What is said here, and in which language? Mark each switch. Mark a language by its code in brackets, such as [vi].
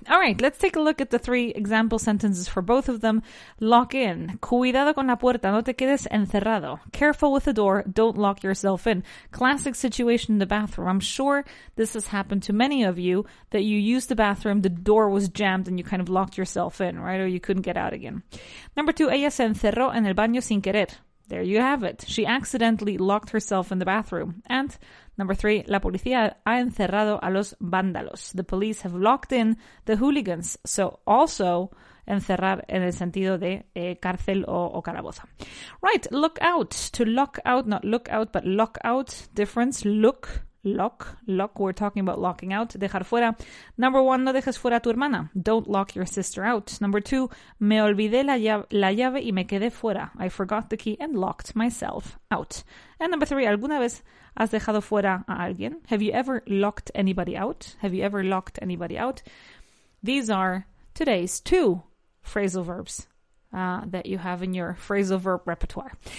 [en] All right, let's take a look at the three example sentences for both of them. Lock in. [es] Cuidado con la puerta, no te quedes encerrado. [en] Careful with the door, don't lock yourself in. Classic situation in the bathroom. I'm sure this has happened to many of you, that you used the bathroom, the door was jammed, and you kind of locked yourself in, right? Or you couldn't get out again. Number two, [es] ella se encerró en el baño sin querer. [en] There you have it. She accidentally locked herself in the bathroom. And number three, [es] la policía ha encerrado a los vándalos. [en] The police have locked in the hooligans. So also [es] encerrar en el sentido de cárcel o calabozo. [en] Right, look out. To lock out, not look out, but lock out. Difference, look, lock, lock. We're talking about locking out, [es] dejar fuera. [en] Number one, [es] no dejes fuera a tu hermana. [en] Don't lock your sister out. [es] Number two, me olvidé la llave y me quedé fuera. [en] I forgot the key and locked myself out. And number three, [es] ¿alguna vez has dejado fuera a alguien? [en] Have you ever locked anybody out? Have you ever locked anybody out? These are today's two phrasal verbs that you have in your phrasal verb repertoire.